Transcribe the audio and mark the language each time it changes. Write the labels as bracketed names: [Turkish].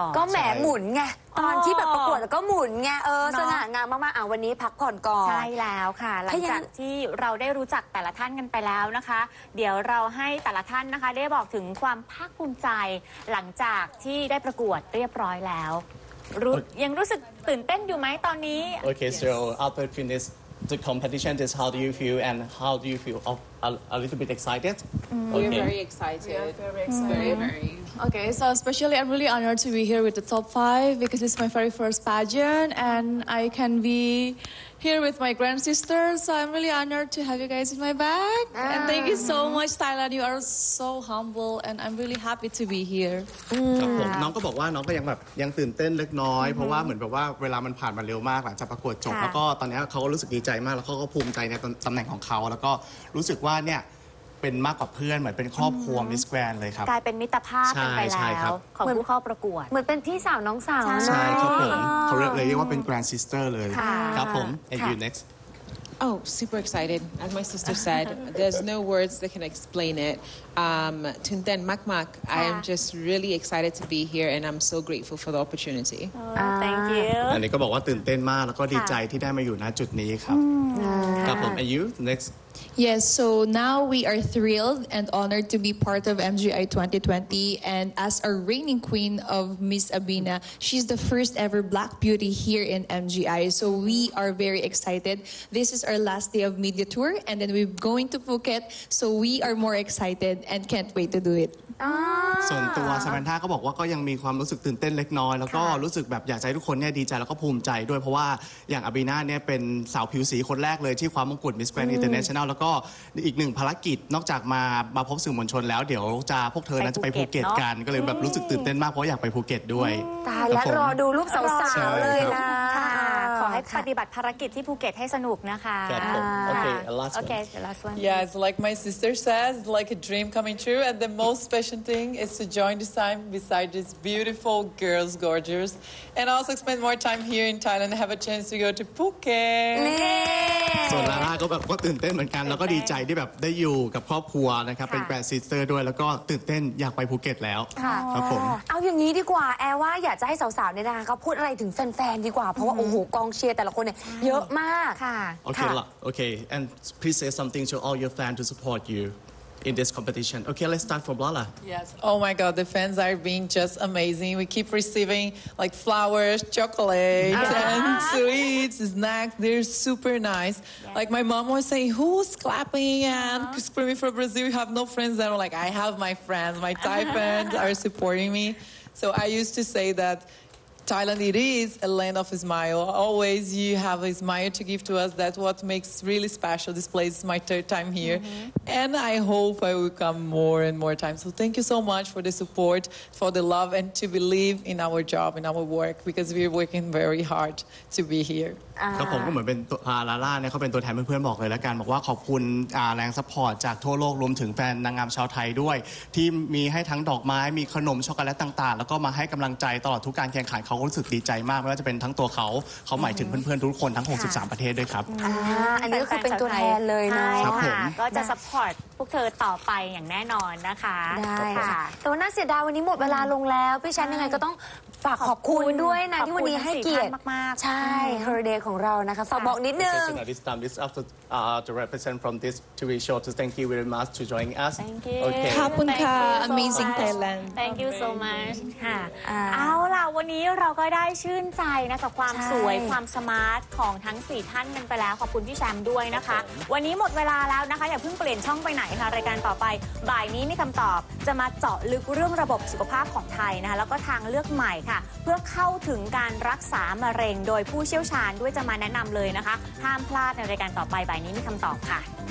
[Thai] ก็แหมหมุนไงตอนที่แบบประกวดก็หมุนไงสง่างามมากๆวันนี้พักผ่อนก่อน ใช่แล้วค่ะหลังจากที่เราได้รู้จักแต่ละท่านกันไปแล้วนะคะเดี๋ยวเราให้แต่ละท่านนะคะได้บอกถึงความภาคภูมิใจหลังจากที่ได้ประกวดเรียบร้อยแล้วยังรู้สึกตื่นเต้นอยู่ไหมตอนนี้ [English] Okay so after finish the competition is how do you feel and how do you feel of a little bit excited Okay. We are very excited. Okay, so especially I'm really honored to be here with the top five because it's my very first pageant and I can be here with my grand sister. So I'm really honored to have you guys in my back. And thank you so much, Thailand. You are so humble and I'm really happy to be here. [Thai] น้องก็บอกว่าน้องก็ยังแบบยังตื่นเต้นเล็กน้อยเพราะว่าเหมือนแบบว่าเวลามันผ่านมาเร็วมากหลังจากประกวดจบแล้วก็ตอนนี้เขาก็รู้สึกดีใจมากแล้วเขาก็ภูมิใจในตำแหน่งของเขาแล้วก็รู้สึกว่าเนี่ยเป็นมากกว่าเพื่อนเหมือนเป็นครอบครัวมิสแกรนด์เลยครับ กลายเป็นมิตรภาพกันไปแล้วของผู้เข้าประกวด เหมือนเป็นพี่สาวน้องสาว ใช่ครับผมเขาเรียกเลยว่าเป็นแกรนด์ซิสเตอร์เลยครับผม [English] and you next oh super excited as my sister said there's no words that can explain it [Thai] ตื่นเต้นมากๆ [English] I am just really excited to be here and I'm so grateful for the opportunity thank you [Thai] อันนี้ก็บอกว่าตื่นเต้นมากแล้วก็ดีใจที่ได้มาอยู่ณจุดนี้ครับครับผม [English] and you next Yes, so now we are thrilled and honored to be part of MGI 2020 and as a reigning queen of Miss Abina, she's the first ever black beauty here in MGI. So we are very excited. This is our last day of media tour and then we're going to Phuket. So we are more excited and can't wait to do it. [Thai] ส่วนตัวซามานธาก็บอกว่าก็ยังมีความรู้สึกตื่นเต้นเล็กน้อยแล้วก็รู้สึกแบบอยากให้ทุกคนเนี่ยดีใจแล้วก็ภูมิใจด้วยเพราะว่าอย่างอบีนาเนี่ยเป็นสาวผิวสีคนแรกเลยที่คว้ามงกุฎ Miss Grand International แล้วก็อีกหนึ่งภารกิจนอกจากมาพบสื่อมวลชนแล้วเดี๋ยวจะพวกเธอนั้นจะไปภูเก็ตกันก็เลยแบบรู้สึกตื่นเต้นมากเพราะอยากไปภูเก็ตด้วย ตายแล้วรอดูรูปสาวๆเลยนะ ขอให้ปฏิบัติภารกิจที่ภูเก็ตให้สนุกนะคะ [English] โอเค last one yes like my sister says like a dream coming true and the most special thing is to join this time beside these beautiful girls gorgeous and also spend more time here in Thailand have a chance to go to Phuket [Thai] ส่วนลาล่าก็แบบก็ตื่นเต้นเหมือนกันแล้วก็ดีใจที่แบบได้อยู่กับครอบครัวนะครับเป็นแฟนซิสเตอร์ด้วยแล้วก็ตื่นเต้นอยากไปภูเก็ตแล้วครับผม เอาอย่างนี้ดีกว่าแอร์ว่าอยากจะให้สาวๆเนี่ยนะคะเขาพูดอะไรถึงแฟนๆดีกว่าเพราะว่าโอ้โหกองเชียร์แต่ละคนเนี่ยเยอะมาก ค่ ะ [English] โอเคand please say something to all your fans to support youin this competition. Okay, let's start from Lala. Yes. Oh my god, the fans are being just amazing. We keep receiving like flowers, chocolate, and sweets, snacks. They're super nice. Yes. Like my mom was saying, who's clapping and screaming for Brazil? You have no friends. And I'm like, I have my friends. My Thai fans are supporting me. So I used to say that Thailand, it is a land of a smile. Always you have a smile to give to us. That's what makes really special this place. It's my third time here. Mm-hmm. And I hope I will come more and more times. So thank you so much for the support, for the love, and to believe in our job, in our work, because we are working very hard to be here. [Thai] ก็ผมก็เหมือนเป็นลาล่าเนี่ยเขาเป็นตัวแทนเพื่อนๆบอกเลยแล้วกันบอกว่าขอบคุณแรงซัพพอร์ตจากทั่วโลกรวมถึงแฟนนางงามชาวไทยด้วยที่มีให้ทั้งดอกไม้มีขนมช็อกโกแลตต่างๆแล้วก็มาให้กำลังใจตลอดทุกการแข่งขันเ ขารู้สึกดีใจมากไม่ว่าจะเป็นทั้งตัวเขาเขาหมายถึงเพื่อนๆทุกคนทั้ง63ประเทศด้วยครับ อันนี้ก็คือเป็นตัวแทนเลยนะ ครับ ผ มก็จะซัพพอร์ตพวกเธอต่อไปอย่างแน่นอนนะคะ ได้ค่ะแต่น่าเสียดายวันนี้หมดเวลาลงแล้วพี่แชมป์ยังไงก็ต้องฝากขอบคุณด้วยนะที่วันนี้ให้เกียรติ มากๆ ใช่ Holiday ของเรานะคะฝากบอกนิดนึง [English] This time this after to represent from this TV show to thank you very much to joining us thank you [Thai] ขอบคุณค่ะ [English] Amazing Thailand thank you so much [Thai] ค่ะเอาล่ะวันนี้เราก็ได้ชื่นใจนะกับความสวยความสมาร์ทของทั้ง4ท่านกันไปแล้วขอบคุณพี่แชมป์ด้วยนะคะวันนี้หมดเวลาแล้วนะคะอย่าเพิ่งเปลี่ยนช่องไปไหนค่ะรายการต่อไปบ่ายนี้มีคำตอบจะมาเจาะลึกเรื่องระบบสุขภาพของไทยนะคะแล้วก็ทางเลือกใหม่ค่ะเพื่อเข้าถึงการรักษามะเร็งโดยผู้เชี่ยวชาญด้วยจะมาแนะนำเลยนะคะห้ามพลาดในรายการต่อไปบ่ายนี้มีคำตอบค่ะ